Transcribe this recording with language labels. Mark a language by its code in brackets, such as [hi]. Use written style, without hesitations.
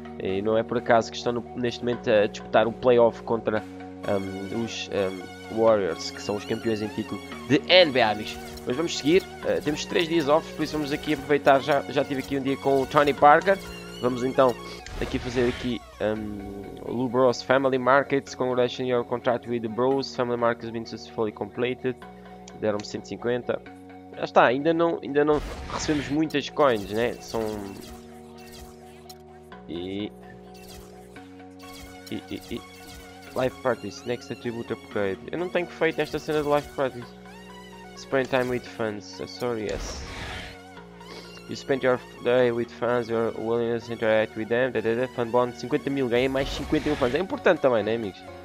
[pt] E não é por acaso que estão no, neste momento a disputar o playoff contra os Warriors, que são os campeões em título de NBA, amigos. Mas vamos seguir, temos 3 dias off, por isso vamos aqui aproveitar, já tive aqui um dia com o Tony Parker. Vamos então aqui fazer aqui [en] Lou Bros Family Markets, congratulations on your contract with the Bros, Family Markets has been successfully completed, [pt] deram-me 150. Já está, ainda não recebemos muitas coins, né, são... E... Life Practice, [en] next attribute upgrade, [pt] eu não tenho feito esta cena de Life Practice. [en] Spend time with fans, sorry, yes. You spend your day with fans, your willingness to interact with them, da da da, fan bond, 50 mil, [pt] ganhei mais 50 mil fans, é importante também, né, amigos?